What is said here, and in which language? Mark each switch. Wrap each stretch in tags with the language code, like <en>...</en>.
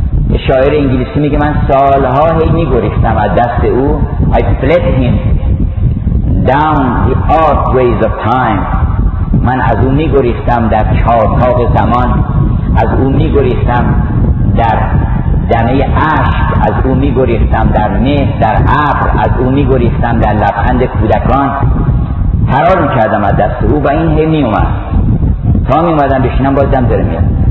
<fa>یه شاعر انگلیسی میگه من سالها هی میگریختم از دست او.</fa> <en>I fled him down the archways of time.</en> <fa>من از او میگریختم در چارطاق زمان، از او میگریختم در دمه عشق، از او میگریختم در مه، در ابر، از او میگریختم در لبخند کودکان. فرار میکردم از دست او و این هی میومد، تا میومدم بشینم بازدم داره میاد.</fa>